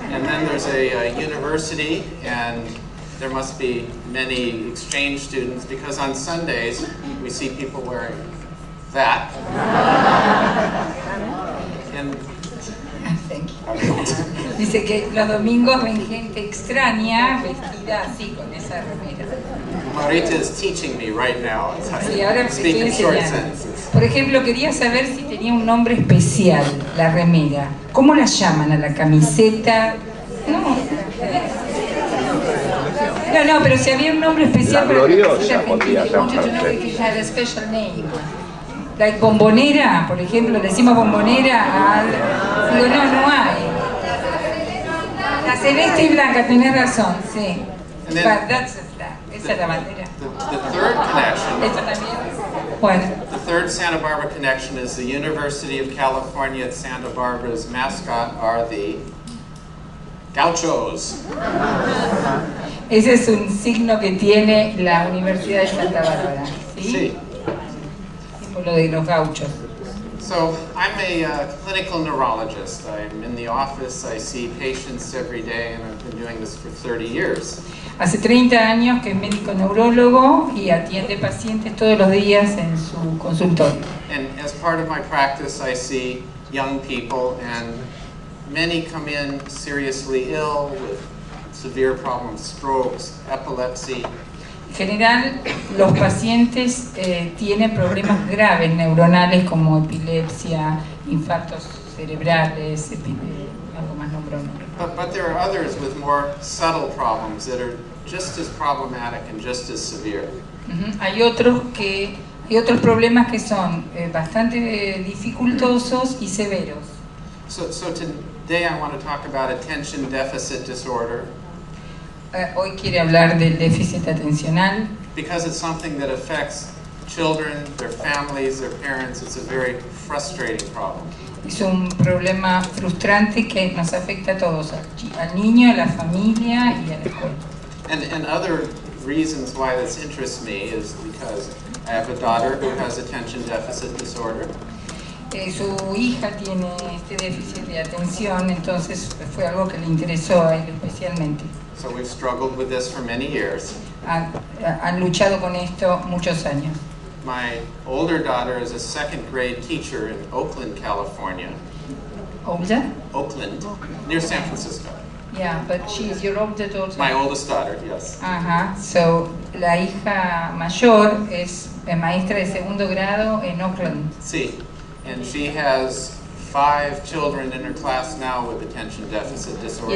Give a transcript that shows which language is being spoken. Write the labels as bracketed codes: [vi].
[en] And then there's a university and there must be many exchange students because on Sundays we see people wearing that. And thank you. [es] Dice que los domingos ven gente extraña vestida así con esa remera. [en] Marita is teaching me right now. [es] Sí, ahora estoy enseñando. Por ejemplo, quería saber si tenía un nombre especial la remera. ¿Cómo la llaman a la camiseta? No. No, no, pero si había un nombre especial para la gloriosa, podría ser. Un especial name. La like bombonera, por ejemplo, le decimos bombonera al. Digo, no, no hay. La celeste y blanca, tenés razón, sí. [en] Then, but that's the flag. [es] Esa es la bandera. [en] The third connection. [es] Esa también. Bueno. [en] The third Santa Barbara connection is the University of California at Santa Barbara's mascot are the gauchos. [es] Ese es un signo que tiene la Universidad de Santa Bárbara, ¿sí? Sí. Por lo de los gauchos. [en] So, I'm a clinical neurologist. I'm in the office, I see patients every day, and I've been doing this for 30 years. [es] Hace 30 años que es médico neurólogo y atiende pacientes todos los días en su consultorio. [en] And as part of my practice, I see young people, and many come in seriously ill with severe problems, strokes, epilepsy. [es] En general, los pacientes tienen problemas graves neuronales como epilepsia, infartos cerebrales, algo más nombrado. [en] But there are others with more subtle problems that are just as problematic and just as severe. [es] Hay otros problemas que son bastante dificultosos y severos. [en] So today I want to talk about attention deficit disorder. [es] Hoy quiere hablar del déficit atencional. [en] Because it's something that affects children, their families, their parents. It's a very frustrating problem. [es] Es un problema frustrante que nos afecta a todos, al niño, a la familia y a la escuela. [en] And other reasons why this interests me is because I have a daughter who has attention deficit disorder. [es] Su hija tiene este déficit de atención, entonces fue algo que le interesó a él especialmente. [en] So we've struggled with this for many years. [es] Han luchado con esto muchos años. [en] My older daughter is a second grade teacher in Oakland, California. Oakland, near San Francisco. Yeah, but she's your older daughter. My oldest daughter, yes. Uh-huh. [es] So la hija mayor es maestra de segundo grado en Oakland. Sí. [en] And she has 5 children in her class now with attention deficit disorder.